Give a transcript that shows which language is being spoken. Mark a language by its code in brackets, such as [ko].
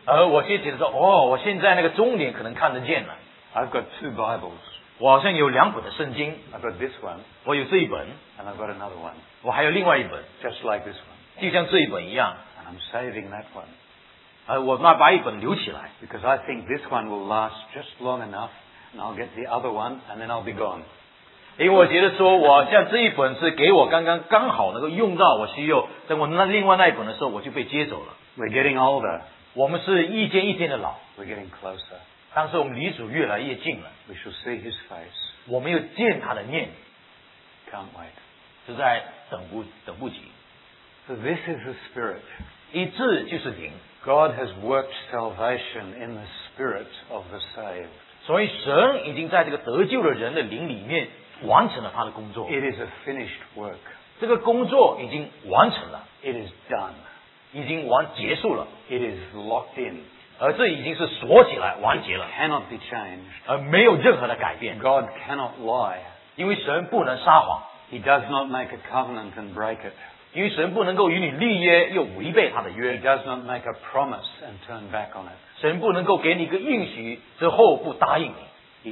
[zh] 我就觉得说，哦，我现在那个终点可能看得见了。 [en] I've got two Bibles. [zh] 我好像有两本的圣经。 [en] I've got this one. [zh] 我有这一本。 [en] And I've got another one. [zh] 我还有另外一本。 [en] Just like this one. [zh] 就像这一本一样。 [en] And I'm saving that one. [zh] 我那把一本留起来。 [en] Because I think this one will last just long enough, and I'll get the other one, and then I'll be gone. [zh] 因为我觉得说我像这一本是给我刚好能够用到我需要在我那另外那一本的时候我就被接走了。 [en] We're getting older. [zh] 我们是一天一天的老。 [en] We're getting closer. [zh] 但是我们离主越来越近了。 [en] We shall see his face. [zh] 我们又见他的面。 [en] Can't wait. [zh] 实在等不及。 [en] So this is the spirit. [zh] 一致就是灵。 [en] God has worked salvation in the spirit of the saved. [zh] 所以神已经在这个得救的人的灵里面完成了他的工作。 [en] It is a finished work. [zh] 这个工作已经完成了。 [en] It is done. [zh] 已经完结束了。 [en] It is locked in. [zh] 而这已经是锁起来完结了。 [en] It cannot be changed. [zh] 而没有任何的改变。 [en] God cannot lie. [zh] 因为神不能撒谎。 [en] He does not make a covenant and break it. [zh] 因为神不能够与你立约又违背他的约。 [en] He does not make a promise and turn back on it. [zh] 神不能够给你一个应许之后不答应你。